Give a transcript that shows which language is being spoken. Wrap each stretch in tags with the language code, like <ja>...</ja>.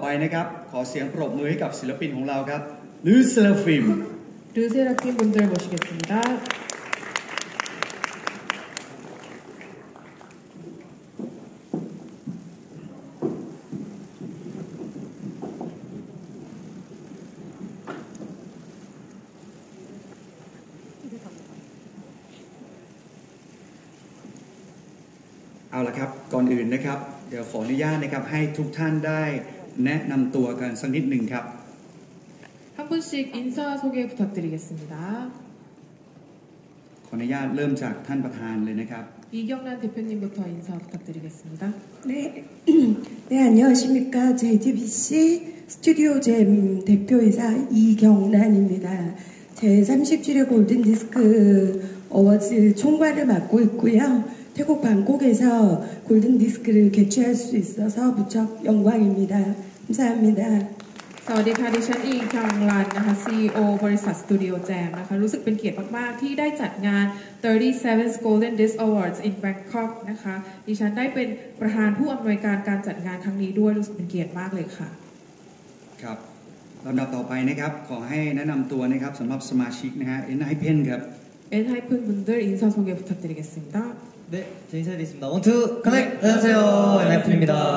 <th>ลำดับต่อไปนะครับขอเสียงปรบมือให้กับศิลปินของเราครับ Luseraphim</th> <ko>Luseraphim 분들 모시겠습니다.</ko> <th>เอาละครับก่อนอื่นนะครับ เดี๋ยวขออนุญาตนะครับให้ทุกท่านได้แนะนำตัวกันสักนิดหนึ่งครับ</th> <ko>한 분씩 인사 소개 부탁드리겠습니다.</ko> <th>ขออนุญาตเริ่มจากท่านประธานเลยนะครับ</th> <ko>이경란 대표님부터 인사 부탁드리겠습니다. 네, 네 안녕하십니까 JTBC 스튜디오 잼 대표이사 이경란입니다. 제 30주년 골든 디스크 어워즈 총괄을 맡고 있고요. 태국 방콕에서 골든디스크를 개최할 수 있어서 무척 영광입니다. 감사합니다.</ko> <th>สวัสดีค่ะดิฉันอีกลางลันนะคะ CEO บริษัท Studio Jam นะคะรู้สึกเป็นเกียรติมากๆที่ได้จัดงาน</th> <en>37th Golden Disc Awards in Bangkok</en> <th>นะคะดิฉันได้เป็นประธานผู้อำนวยการการจัดงานครั้งนี้ด้วยรู้สึกเป็นเกียรติมากเลยค่ะครับลำดับต่อไปนะครับขอให้แนะนำตัวนะครับสำหรับสมาชิกนะฮะ N-Hypen ครับ</th> <ko>N-Hypen 분들 인사 소개 부탁드리겠습니다. 네, 제 인사드리겠습니다.</ko> <en>원투 커넥!</en> <ko>네. 안녕하세요, 엔하이픈입니다.</ko>